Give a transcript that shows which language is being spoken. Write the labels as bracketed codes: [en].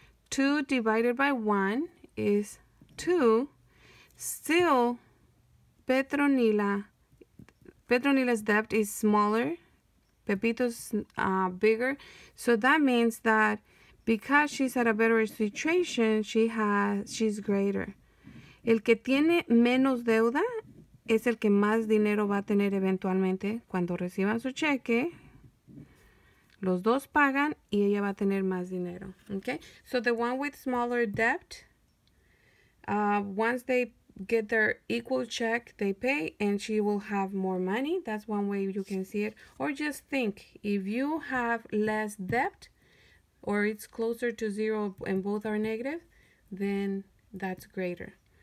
[en] 2 divided by 1 is 2. Still, Petronila's debt is smaller. Pepito's bigger. So that means that because she's at a better situation, she's greater. [es] El que tiene menos deuda es el que más dinero va a tener eventualmente cuando reciban su cheque. Los dos pagan y ella va a tener más dinero. [en] Okay? So the one with smaller debt, once they get their equal check, they pay, and she will have more money. That's one way you can see it. Or just think, if you have less debt, or it's closer to zero and both are negative, then that's greater.